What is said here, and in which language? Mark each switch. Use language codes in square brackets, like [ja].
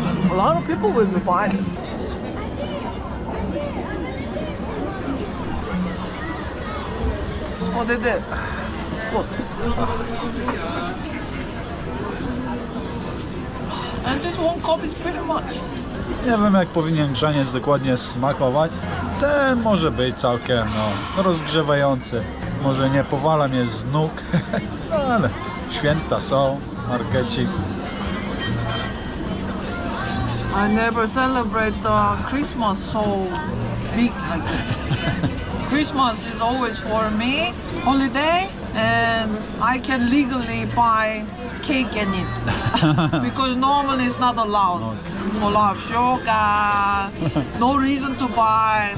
[en] A lot of people will be buying. What is this? It's good. And this one cup is pretty much. [pl] Nie wiem, jak powinien grzaniec dokładnie smakować. Ten może być całkiem no, rozgrzewający. Może nie powala mnie z nóg, no, ale święta są, markecik. [en] I never celebrate the Christmas so big like this. Christmas is always for me, holiday, and I can legally buy cake and eat. Because normally it's not allowed. No love, sugar, no reason to buy.